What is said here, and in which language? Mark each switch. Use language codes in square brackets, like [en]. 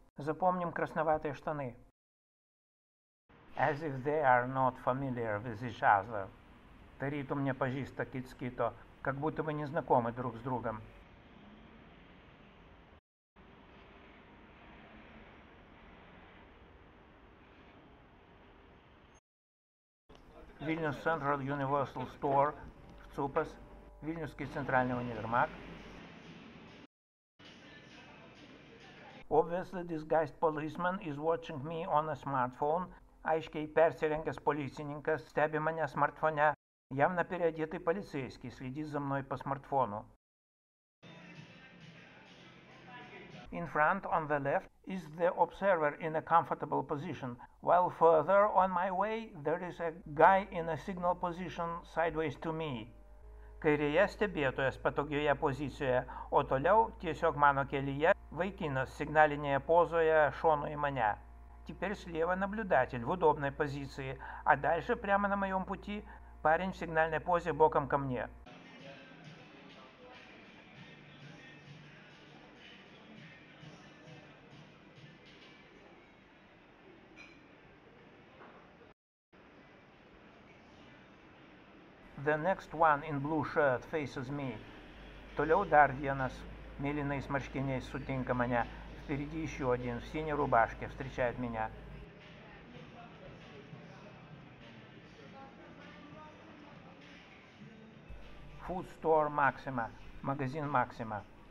[ru] Запомним красноватые штаны. [en] As if they are not familiar with each other. [lt] Тарytum nepažįsta kits kito. [ru] Как будто мы не знакомы друг с другом. [en] Vilnius Central Universal Store, ЦУПАС, [ru] Вильнюсский центральный универмаг. [en] Obviously disguised policeman is watching me on a smartphone. [lt] Aiškiai persirengęs policininkas stebi mane smartfone. [ru] Явно переодетый полицейский следит за мной по смартфону. [en] In front, on the left, is the observer in a comfortable position, while further on my way, there is a guy in a signal position sideways to me. [lt] Kairėje stebėtojas patogioje pozicijoje, o toliau, tiesiog mano kelyje, vaikinas signalinėje pozoje šonu į mane. [ru] Теперь слева наблюдатель в удобной позиции, а дальше, прямо на моем пути, парень в сигнальной позе боком ко мне. [en] The next one in blue shirt faces me. [lt] Toliau dar vienas mėlynais marškiniais sutinka mane. [ru] Впереди еще один в синей рубашке встречает меня. [en] Food store Maxima. [ru] Магазин Maxima.